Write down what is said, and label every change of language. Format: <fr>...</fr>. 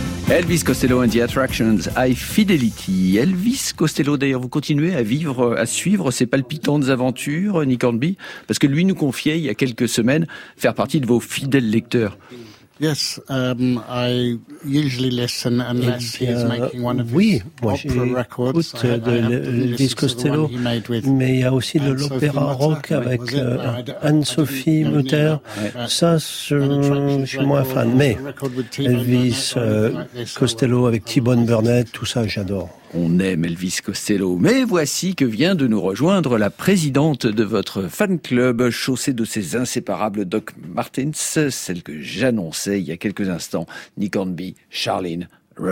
<en>Elvis Costello and the Attractions, High Fidelity.</en> <fr>Elvis Costello, d'ailleurs, vous continuez à suivre ses palpitantes aventures, Nick Hornby, parce que lui nous confiait, il y a quelques semaines, faire partie de vos fidèles lecteurs.</fr> <en>Yes, I usually listen unless he's making one of</en> <fr>oui,</fr> <en>his opera records.</en> <fr>Oui, moi j'écoute de Elvis Costello, mais il y a aussi de l'opéra rock avec Anne-Sophie Mutter. Ça, je suis moins fan. Mais Elvis Costello avec T-Bone Burnett, tout ça, j'adore. On aime Elvis Costello, mais voici que vient de nous rejoindre la présidente de votre fan club, chaussée de ses inséparables Doc Martens, celle que j'annonçais il y a quelques instants, Nick Hornby, Charline Roux.</fr>